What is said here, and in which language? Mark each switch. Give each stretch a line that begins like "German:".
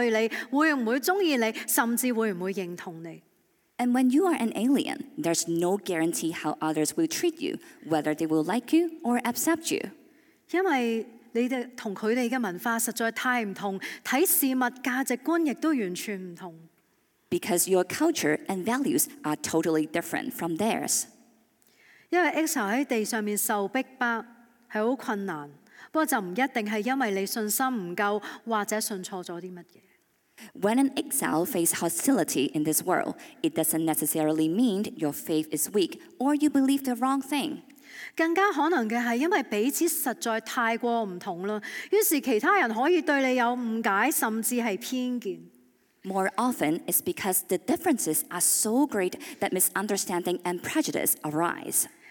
Chinese: 既然是異類，就沒有人可以肯定其他人其實會怎樣對你，會不會喜歡你，甚至會不會認同你。
English: And when you are an alien, there's no guarantee how others will treat you, whether they will like you or accept you.
Chinese: 因為你跟他們的文化實在太不同，看事物價值觀也都完全不同。
English: Because your culture and values are totally different from theirs.
Chinese: 因為exile在地上受逼迫，是很困難。
English: When an exile faces hostility in this world, it doesn't necessarily mean your faith is weak or you believe the wrong thing.
Chinese: 更加可能的是因為彼此實在太過不同了，於是其他人可以對你有誤解，甚至是偏見。
English: More often, it's because the differences are so great that misunderstanding and prejudice arise.